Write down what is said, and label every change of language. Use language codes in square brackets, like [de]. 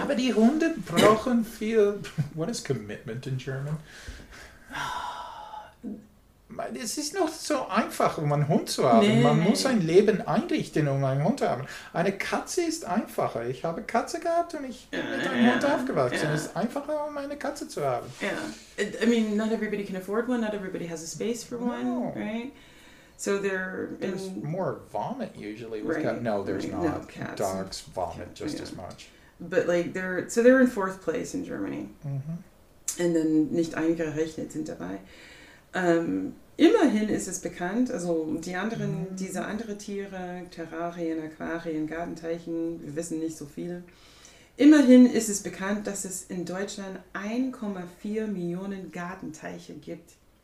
[de] Aber die Hunde brauchen viel... [en] What is commitment in German? [de] Es ist noch so einfach, um einen Hund zu haben. Nee. Man muss ein Leben einrichten, um einen Hund zu haben. Eine Katze ist einfacher. Ich habe Katze gehabt und ich bin mit einem Hund aufgewachsen. Ja. Es ist einfacher, um eine Katze zu haben. [en] Ja. I mean, not everybody can afford one. Not everybody has a space for one, no. Right? So there's more vomit usually with cats. No, there's not. No, cats. Dogs vomit cats, just as much. But like they're in fourth place in Germany. Mm-hmm. And then [de] nicht eingerechnet sind dabei. Immerhin ist es bekannt, also die anderen, diese anderen Tiere, Terrarien, Aquarien, Gartenteichen, wir wissen nicht so viele. Immerhin ist es bekannt, dass es in Deutschland 1,4 Millionen Gartenteiche gibt.